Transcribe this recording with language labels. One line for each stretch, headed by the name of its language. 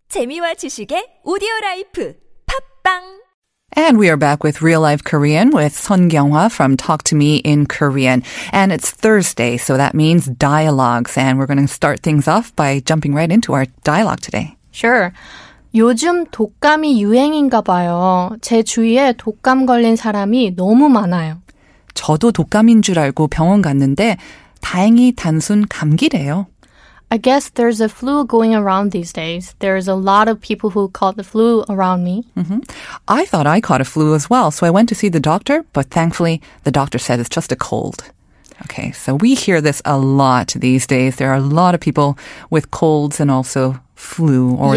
Korean: 재미와 지식의 오디오라이프 팝빵.
English: And we are back with Real Life Korean with Son Kyung-hwa from Talk to Me in Korean. And it's Thursday, so that means dialogues. And we're going to start things off by jumping right into our dialogue today. Sure.
Korean: 요즘 독감이 유행인가 봐요. 제 주위에 독감 걸린 사람이 너무 많아요. 저도 독감인 줄 알고 병원 갔는데 다행히 단순 감기래요.
English: I guess there's a flu going around these days. There's a lot of people who caught the flu around me. Mm-hmm. I thought I caught a flu as well, so I went to see the doctor, but thankfully the doctor said it's just a cold. Okay, so we hear this a lot these days. There are a lot of people with colds and also flu or